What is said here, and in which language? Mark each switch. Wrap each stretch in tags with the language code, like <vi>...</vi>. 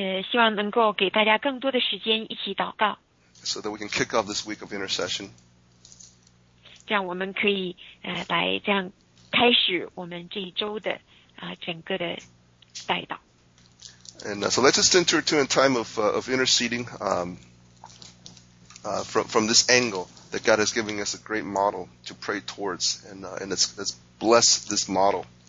<zh>希望能够给大家更多的时间一起祷告。</zh> <en>So that we can kick off this week of intercession.</en> <zh>这样我们可以来这样开始我们这一周的整个的带祷。</zh> <en>And so let's just enter to a time of interceding from this angle that God is giving us a great model to pray towards, and let's bless this model.</en>